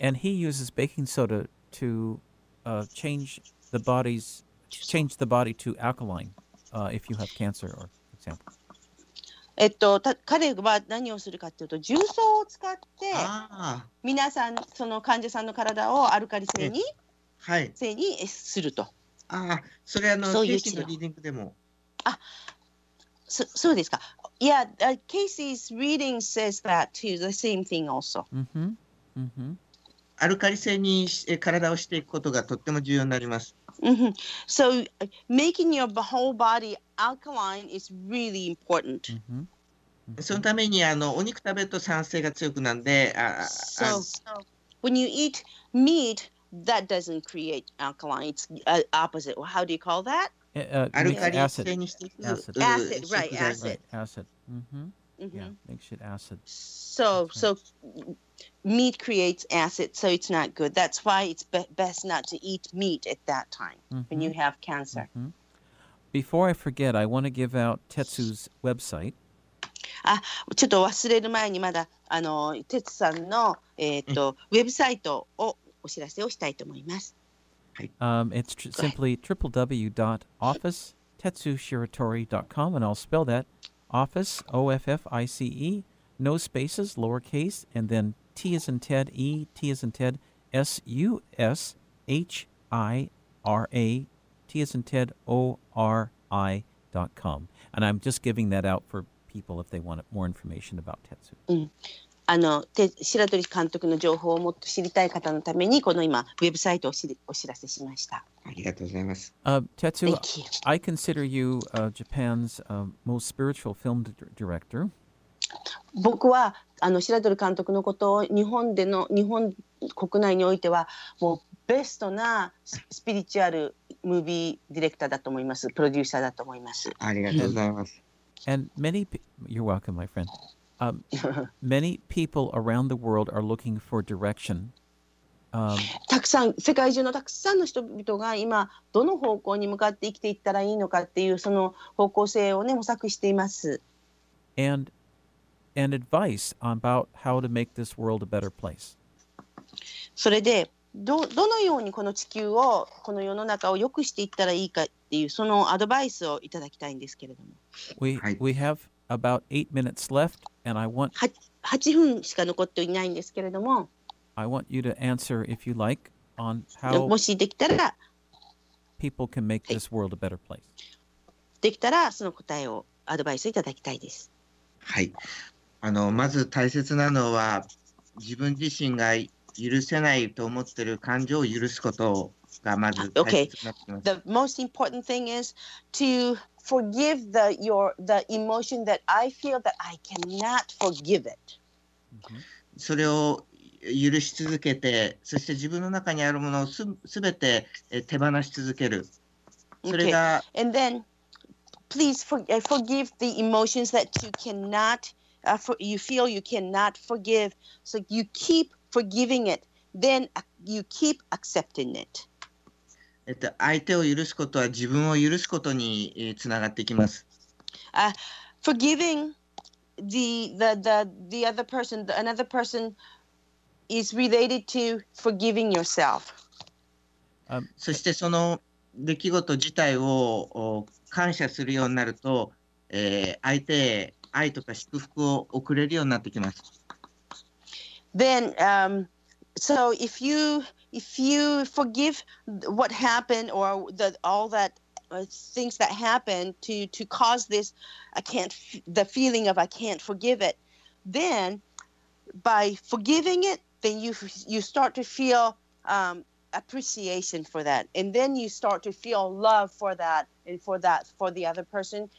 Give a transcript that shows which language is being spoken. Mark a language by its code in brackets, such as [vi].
[en] And he uses baking soda to change the body to alkaline if you have cancer, for example. [ja] 彼は何をするかというと、重曹を使って、皆さん、その患者さんの体をアルカリ性に、はい、性にすると。ああ、それ、ケイシーのリーディングでも。そうですか。いや、ケイシーのリーディングは、それと同じことです。 Mm-hmm. Mm-hmm. アルカリ性に体をしていくことがとっても重要になります。 Mm-hmm. [en] So making your whole body alkaline is really important. [ja] そのためにお肉食べると酸性が強くなんで、 [en] So when you eat meat, that doesn't create alkaline. It's opposite. Well, how do you call that? [ja] アルカリ性にしていく。Acid. [en] Mm-hmm. Yeah, makes it acid. So meat creates acid, so it's not good. That's why it's best not to eat meat at that time、mm-hmm. when you have cancer.、 Mm-hmm. Before I forget, I want to give out Tetsu's website. [ja] あ、ちょっと忘れる前にまだあの鉄さんの、ウェブサイトをお知らせをしたいと思います。はい。 [en] It's simply www.officetetsushiratori.com and I'll spell that office, O-F-F-I-C-E, no spaces, lowercase, and then T as in Ted, E, T as in Ted, S-U-S-H-I-R-A, T as in Ted, O-R-I.com. And I'm just giving that out for people if they want more information about Tetsu. [ja] あの白鳥監督の情報をもっと知りたい方のためにこの今ウェブサイトをお知らせしました。ありがとうございます。 [en] Tetsu, I consider you Japan's most spiritual film director. [ja] 僕はあの白鳥監督のことを日本国内においてはもうベストなスピリチュアルムービーディレクターだと思います。プロデューサーだと思います。ありがとうございます。 [en] And many, you're welcome, my friend. many people around the world are looking for direction. [ja] たくさん、世界中のたくさんの人々が今どの方向に向かって生きていったらいいのかっていうその方向性をね模索しています。 [en] And advice about how to make this world a better place. [ja] それで、どのようにこの地球をこの世の中を良くしていったらいいかっていうそのアドバイスをいただきたいんですけれども。 [en] We have about 8 minutes left, and I want [ja] 8分しか残っていないんですけれども。 [en] I want you to answer if you like on how [ja] もしできたら [en] people can make this world a better place。 [ja] できたらその答えをアドバイスいただきたいです。はい。あのまず大切なのは自分自身が許せないと思っている感情を許すことがまず大切になってます。 [en] Okay. The most important thing is to forgive the emotion that I feel that I cannot forgive it. [ja] それを許し続けて、そして自分の中にあるものをすべて手放し続ける。それが、 [en] okay. And then please forgive the emotions that you cannot you feel you cannot forgive. So you keep forgiving it, then you keep accepting it. [ja] 相手を許すことは自分を許すことにつながってきます。 [en] Forgiving the other person, another person is related to forgiving yourself. [ja] そしてその出来事自体を感謝するようになると、相手へ愛とか祝福を送れるようになってきます。 [en] Then, so if you forgive what happened or the all that things that happened to cause this, the feeling of I can't forgive it, then by forgiving it, then you start to feel appreciation for that, and then you start to feel love for that and for the other person.